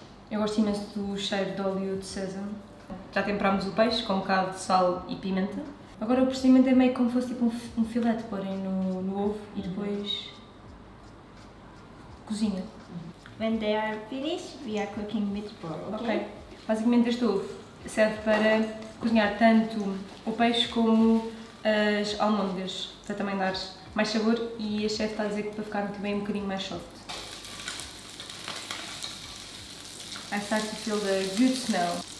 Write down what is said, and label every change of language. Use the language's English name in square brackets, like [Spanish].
[Portuguese] Eu gosto imenso do cheiro de óleo de sésamo. Já temperámos o peixe com um bocado de sal e pimenta. Agora o procedimento é meio como fosse tipo um filete, porém no ovo e depois cozinha. [English] When they are finished, we are cooking meatball, ok? [Portuguese] Ok, basicamente este ovo serve para cozinhar tanto o peixe como as almôndegas, para também dar mais sabor, e a chefe está a dizer que para ficar muito bem um bocadinho mais soft. [English] I start to feel the good smell.